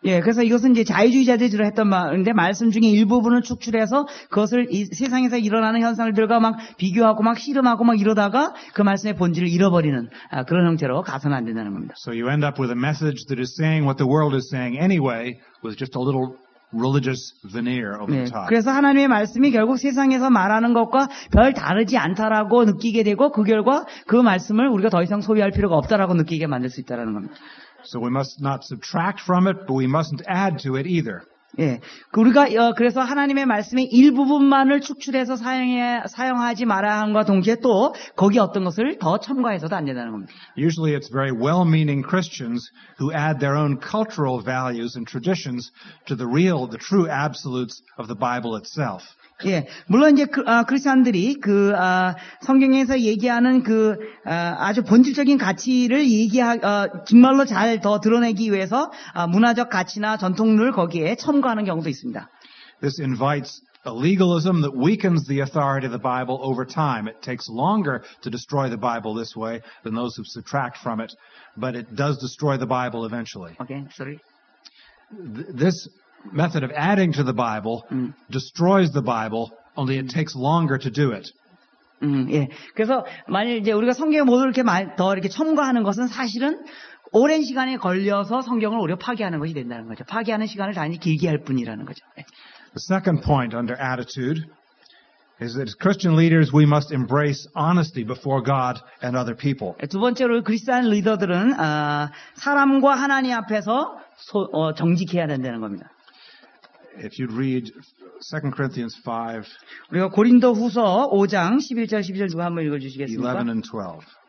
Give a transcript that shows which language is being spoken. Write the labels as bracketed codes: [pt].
[ko] 예, 그래서 이것은 이제 자유주의자들이 주로 했던 말인데 말씀 중에 일부분을 축출해서 그것을 세상에서 일어나는 현상들과 막 비교하고 막 실험하고 막 이러다가 그 말씀의 본질을 잃어버리는 그런 형태로 가서는 안 된다는 겁니다. [en] So you end up with a message that is saying what the world is saying anyway, with just a little religious veneer over the top. 네, [ko] 그래서 하나님의 말씀이 결국 세상에서 말하는 것과 별 다르지 않다라고 느끼게 되고 그 결과 그 말씀을 우리가 더 이상 소유할 필요가 없다라고 느끼게 만들 수 있다라는 겁니다. [en] So we must not subtract from it, but we mustn't add to it either. [ko] 예, 우리가 그래서 하나님의 말씀의 일부분만을 축출해서 사용하지 말아야 함과 동시에 또 거기 어떤 것을 더 첨가해서도 안 된다는 겁니다. [en] Usually it's very well-meaning Christians who add their own cultural values and traditions to the real, the true absolutes of the Bible itself. [ko] 예, 물론 이제 크리스천들이 그 성경에서 얘기하는 그 아주 본질적인 가치를 정말로 잘 더 드러내기 위해서 문화적 가치나 전통을 거기에 첨가하는 경우도 있습니다. [en] This invites a legalism that weakens the authority of the Bible over time. It takes longer to destroy the Bible this way than those who subtract from it, but it does destroy the Bible eventually. Okay, sorry. This method of adding to the Bible destroys the Bible, only it takes longer to do it. 예. [ko] 그래서 만일 이제 우리가 성경에 모두 이렇게 더 이렇게 첨가하는 것은 사실은 오랜 시간에 걸려서 성경을 오히려 파괴하는 것이 된다는 거죠. 파괴하는 시간을 단지 길게 할 뿐이라는 거죠. 예. [en] The second point under attitude is that as Christian leaders we must embrace honesty before God and other people. [ko] 두 번째로 크리스천 리더들은 사람과 하나님 앞에서 정직해야 된다는 겁니다. [en] If you read 2 Corinthians 5, [ko] 우리가 고린도후서 5장 11절 12절 누가 한번 읽어주시겠습니까? [en] 11 and 12.